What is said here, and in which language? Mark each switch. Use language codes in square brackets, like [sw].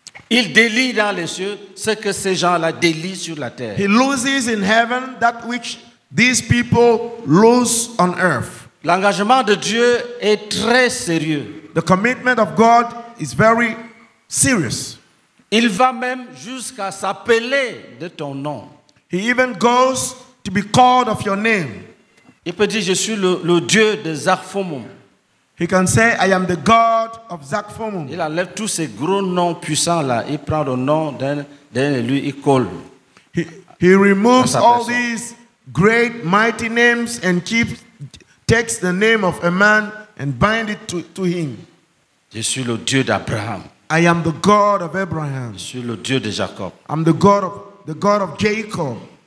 [fr] Il délie dans les cieux ce que ces gens-là délient sur la terre. [en] He loses in heaven that which these people lose on earth. [fr] L'engagement de Dieu est très sérieux. [en] The commitment of God is very serious. [fr] Il va même jusqu'à s'appeler de ton nom. [en] He even goes to be called of your name. [fr] Il peut dire, je suis le Dieu de Zarfomum. [en] He can say, I am the God of Zarfomum. [fr] Il enlève tous ces gros noms puissants là. Il prend le nom d'un élu, il colle. [en] He removes all these great mighty names and takes the name of a man and binds it to him. [fr] Je suis le Dieu d'Abraham. [en] I am the God of Abraham. [fr] Je suis le Dieu de Jacob. [en] I'm the God of Jacob.